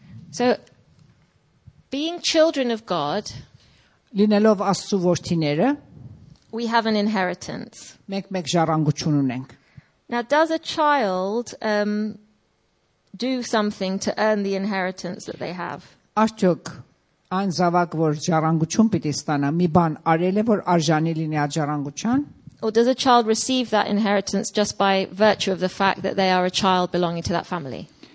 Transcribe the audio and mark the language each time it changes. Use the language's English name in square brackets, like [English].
[English] So, being children of God, [Armenian] լինելով Աստծո որդիները, [English] we have an inheritance. [Armenian] Մենք ժառանգություն ունենք. [English] Now, does a child do something to earn the inheritance that they have? [Armenian] Աստուք, այն զավակ, որ ժառանգություն պիտի ստանա, մի բան արել է, որ արժանի լինի այդ ժառանգության? [English] Or does a child receive that inheritance just by virtue of the fact that they are a child belonging to that family?